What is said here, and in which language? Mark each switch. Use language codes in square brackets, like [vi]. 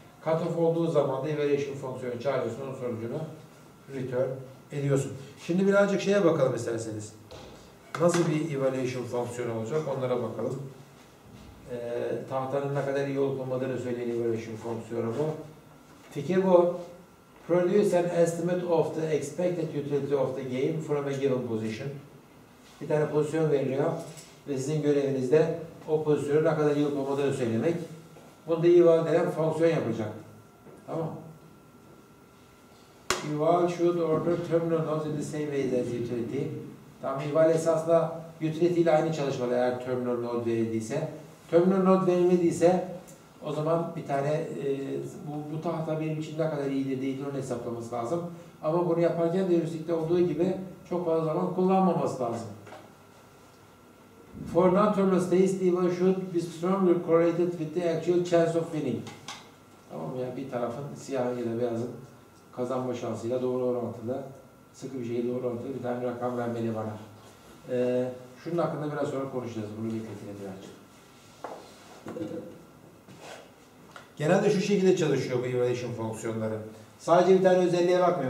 [tr] Cutoff olduğu zaman da evaluation fonksiyonu çağırıyorsun. Onun sonucunu return ediyorsun. Şimdi birazcık şeye bakalım isterseniz. Nasıl bir evaluation fonksiyonu olacak? Onlara bakalım. Tahtanın ne kadar iyi olup olmadığını söyleyen evaluation fonksiyonu bu. Fikir bu. [en] Produce an estimate of the expected utility of the game from a given position. [tr] Bir tane pozisyon veriliyor ve sizin göreviniz de o pozisyonu ne kadar iyi olup olmadığını söylemek. Bunu da eval denen fonksiyon yapacak. Tamam. [en] Eval should order terminal nodes in the same way as utility. [tr] Tamam, eval esasında utility ile aynı çalışmalı eğer terminal node verildiyse. Terminal node verilmediyse o zaman bir tane bu tahta benim için ne kadar iyidir değildir onu hesaplaması lazım. Ama bunu yaparken de heuristikte olduğu gibi çok fazla zaman kullanmaması lazım. [en] For non-terminal states, the evaluation should be strongly correlated with the actual chance of winning. [tr] Tamam ya, bir tarafın siyahın ya da beyazın kazanma şansıyla doğru orantılı, sıkı bir şey doğru orantılı bir tane rakam vermeli bana. Şunun hakkında biraz sonra konuşacağız, bunu bekletin birazcık. Genelde şu şekilde çalışıyor bu evaluation fonksiyonları. Sadece bir tane özelliğe bakmıyor.